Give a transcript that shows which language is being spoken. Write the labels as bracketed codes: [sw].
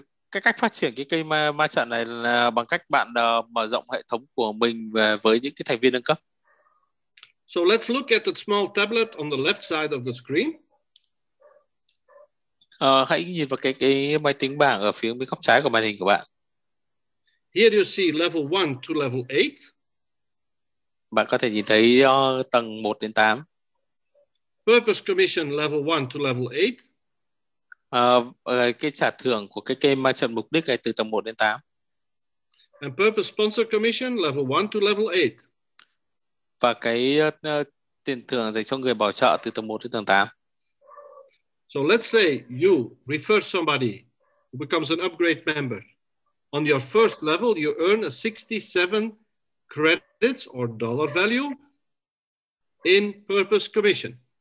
[vi] Cái cách phát triển cái cây ma trận này là bằng cách bạn mở rộng hệ thống của mình với những cái thành viên nâng cấp. [en] So let's look at the small tablet on the left side of the screen. [vi] Hãy nhìn vào cái máy tính bảng ở phía bên góc trái của màn hình của bạn. [en] Here you see level 1 to level 8. [vi] Bạn có thể nhìn thấy tầng 1 đến 8. [en] Purpose commission level 1 to level 8. [vi] Cái trả thưởng của cái game mang trận mục đích này từ tầng 1 đến 8. [en] And purpose sponsor commission level 1 to level 8. [vi] Và cái tiền thưởng dành cho người bảo trợ từ tầng 1 đến tầng 8. [en] So let's say you refer somebody who becomes an upgrade member. On your first level, you earn a 67 credits or dollar value in purpose commission.